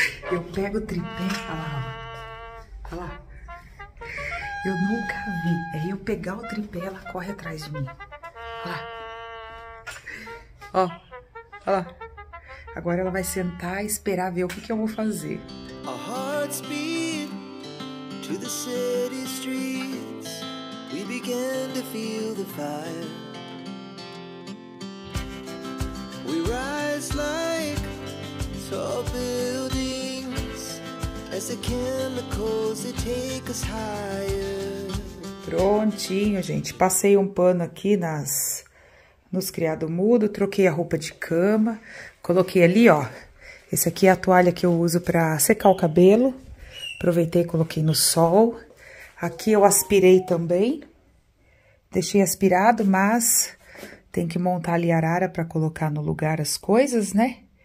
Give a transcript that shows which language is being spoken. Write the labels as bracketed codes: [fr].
[pt] Eu pego o tripé, olha lá, ó. Olha lá. Eu nunca vi. É eu pegar o tripé, ela corre atrás de mim. Olha lá. Ó, olha lá. Agora ela vai sentar e esperar ver o que que eu vou fazer. [en] Our hearts beat to the city streets. We begin to feel the fire. We rise like tall buildings as the chemicals they take us higher. [pt] Prontinho, gente. Passei um pano aqui nos criado mudo, troquei a roupa de cama, coloquei ali, ó. Esse aqui é a toalha que eu uso para secar o cabelo. Aproveitei e coloquei no sol. Aqui eu aspirei também. Deixei aspirado, mas tem que montar ali a arara para colocar no lugar as coisas, né?